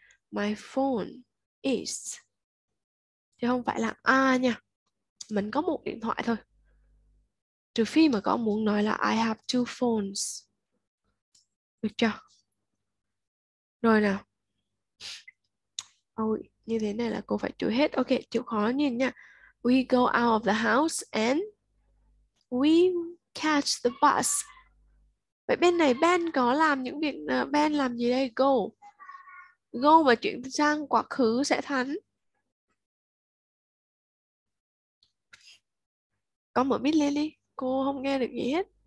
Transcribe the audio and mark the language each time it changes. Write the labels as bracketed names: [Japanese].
[English] My phone is, [Vietnamese] chứ không phải là a nha. Mình có một điện thoại thôi. Trừ phi mà con muốn nói là [English] I have two phones. [Vietnamese] Được chưa? Rồi nào. Ôi, như thế này là cô phải chịu hết. Ok, chịu khó nhìn nha. [English] We go out of the house and we catch the bus. [Vietnamese] Vậy bên này Ben có làm những việc, Ben làm gì đây? Go. Go mà chuyển sang quá khứ sẽ thành. Con mở mic lên đi. Cô không nghe được gì hết.